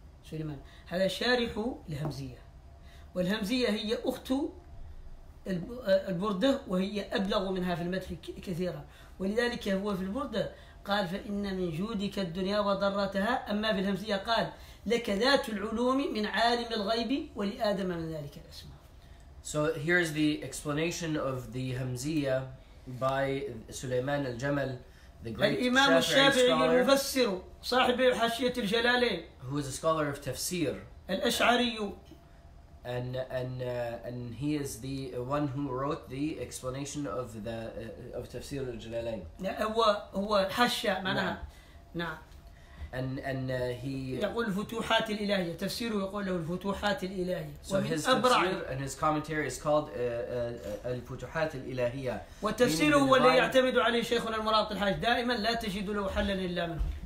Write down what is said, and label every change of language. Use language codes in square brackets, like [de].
[ar] سليمان هذا شارح الهمزية. والهمزية هي أخت البردة وهي أبلغ منها في المدح كثيرا، ولذلك هو في البردة قال فإن من جودك الدنيا وضرتها، أما في الهمزية قال لك ذات العلوم من عالم الغيب ولآدم من ذلك الأسماء. [en] So here's the explanation of the Hamziya by Sulaiman al-Jamal, the great [ar] الإمام الشافعي المفسر صاحب حاشية الجلالين. [en] Who is a scholar of tafsir. [ar] الأشعري. [en] And he is the one who wrote the explanation of the of Tafsir al-Jalalayn. His commentary is called الفتوحات الإلهية. [ar] وتفسيره هو اللي يعتمد عليه شيخنا المراد الحاج دائما لا تجد له حلا إلا منه.